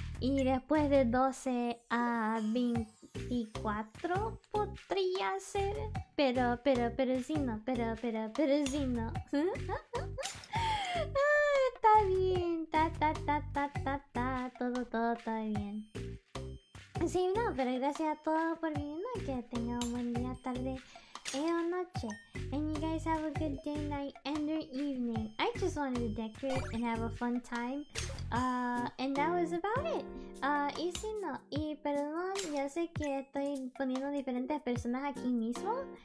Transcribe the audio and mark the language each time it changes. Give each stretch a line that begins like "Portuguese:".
Spanish: Y después de 12 a 24 podría ser. Pero sí no. Está bien, ta, todo bien. Sí, no, pero gracias a todos por viniendo. Que tengan un buen día, tarde o noche.
English: And you guys have a good day, night, and your evening. I just wanted to decorate and have a fun time. And that was about it.
Spanish: Y si no, y perdón, yo sé que estoy poniendo diferentes personas aquí mismo.